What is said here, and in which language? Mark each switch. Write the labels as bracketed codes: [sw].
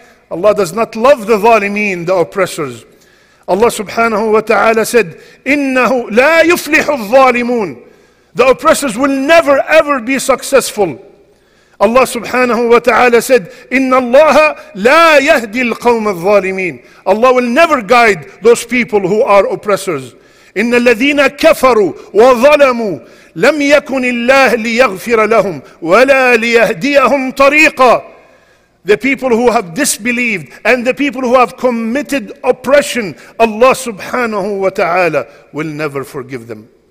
[en] Allah does not love the ظالمين, the oppressors. Allah سبحانه وتعالى said, [ar] إنه لا يفلح الظالمون. [en] The oppressors will never ever be successful. [ar] Allah subhanahu wa ta'ala said, إِنَّ اللَّهَ لَا يَهْدِي الْقَوْمَ الظَّالِمِينَ. Allah will never guide those people who are oppressors. إِنَّ الَّذِينَ كَفَرُوا وَظَلَمُوا لَمْ يَكُنِ اللَّهِ لِيَغْفِرَ لَهُمْ وَلَا لِيَهْدِيَهُمْ طَرِيقًا. [en] The people who have disbelieved and the people who have committed oppression, Allah subhanahu wa ta'ala will never forgive them.